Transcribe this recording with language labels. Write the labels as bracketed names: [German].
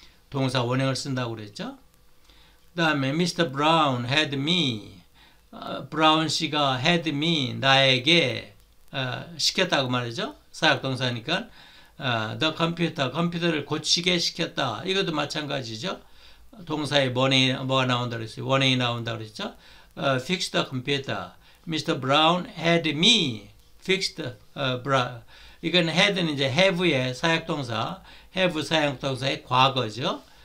[Korean] 동사 원형을 쓴다고 그랬죠. [English] 그다음에 Mr. Brown had me. Brown 씨가 had me 나에게 [Korean] 시켰다고 말이죠. 사역동사니까. [English] The computer, [Korean] 컴퓨터를 고치게 시켰다. 이것도 마찬가지죠. 동사에 원에 뭐가 나온다고 했어요? 원에 나온다고 했죠. [English] Fix the computer. Mr. Brown had me fixed. [Korean] Brown. 이건 had는 이제 have의 사역동사, have 사역동사의 과거죠.